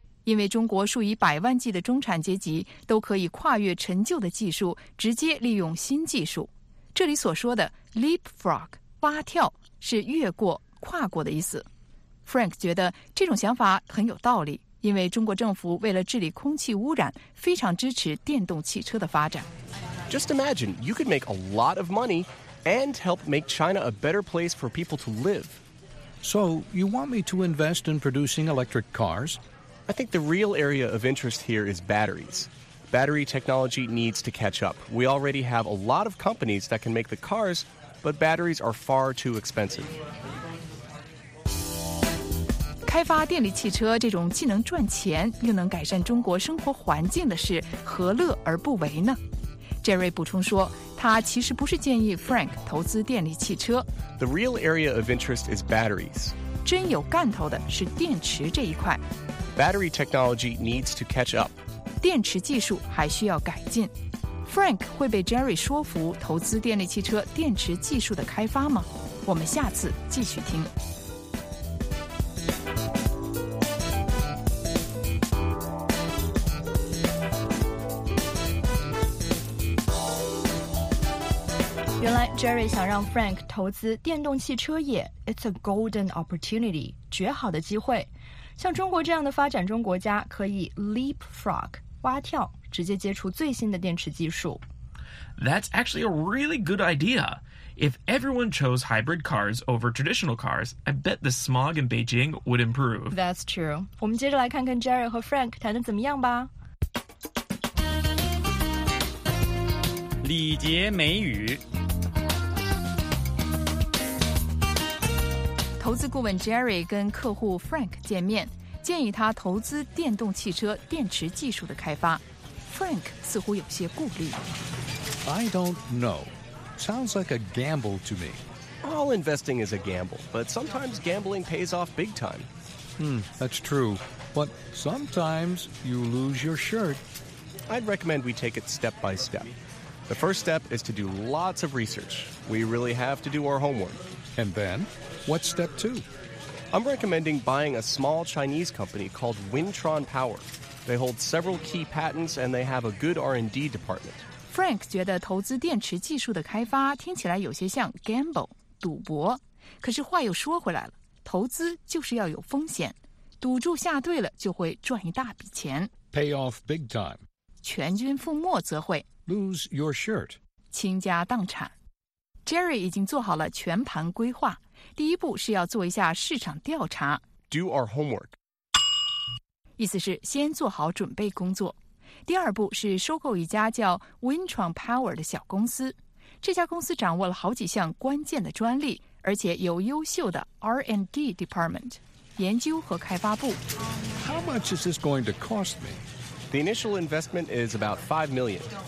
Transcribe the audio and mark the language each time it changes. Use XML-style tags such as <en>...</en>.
<zh>因为中国数以百万计的中产阶级都可以跨越陈旧的技术，直接利用新技术。这里所说的 leapfrog, 蛙跳是越过跨过的意思。 Frank 觉得这种想法很有道理，因为中国政府为了治理空气污染，非常支持电动汽车的发展。</zh> <en>Just imagine, you could make a lot of money and help make China a better place for people to live. So, you want me to invest in producing electric cars? I think the real area of interest here is batteries. Battery technology needs to catch up. We already have a lot of companies that can make the cars, but batteries are far too expensive.</en> <zh>开发电力汽车这种既能赚钱又能改善中国生活环境的事，何乐而不为呢？ Jerry 补充说，他其实不是建议 Frank 投资电力汽车。</zh> <en>The real area of interest is batteries.</en> <zh>真有干头的是电池这一块。</zh> <en>Battery technology needs to catch up.</en> <zh>电池技术还需要改进。 Frank 会被 Jerry 说服投资电力汽车电池技术的开发吗？我们下次继续听。原来 Jerry 想让 Frank 投资电动汽车业</zh> <en>It's a golden opportunity</en> <zh>绝好的机会像中国这样的发展中国家可以 leapfrog 蛙跳直接接触最新的电池技术</zh> <en>That's actually a really good ideaIf everyone chose hybrid cars over traditional cars, I bet the smog in Beijing would improve. That's true.</en> <zh>我们接着来看看 Jerry 和 Frank 谈得怎么样吧。礼节美语。投资顾问 Jerry 跟客户 Frank 见面，建议他投资电动汽车电池技术的开发。 Frank 似乎有些顾虑。</zh> <en>I don't know. Sounds like a gamble to me. All investing is a gamble, but sometimes gambling pays off big time. That's true. But sometimes you lose your shirt. I'd recommend we take it step by step. The first step is to do lots of research. We really have to do our homework. And then, what's step two? I'm recommending buying a small Chinese company called Wintron Power. They hold several key patents and they have a good R&D department.</en> <zh>Frank 觉得投资电池技术的开发听起来有些像 gamble, 赌博。可是话又说回来了，投资就是要有风险，赌注下对了就会赚一大笔钱。</zh> <en>Pay off big time.</en> <zh>全军覆没则会。</zh> <en>Lose your shirt.</en> <zh>倾家荡产。 Jerry 已经做好了全盘规划，第一步是要做一下市场调查。</zh> <en>Do our homework.</en> <zh>意思是先做好准备工作。第二步是收购一家叫 Wintron Power 的小公司。这家公司掌握了好几项关键的专利，而且有优秀的 R&D department 研究和开发部。</zh> <en>How much is this going to cost me? The initial investment is about $5 million.</en>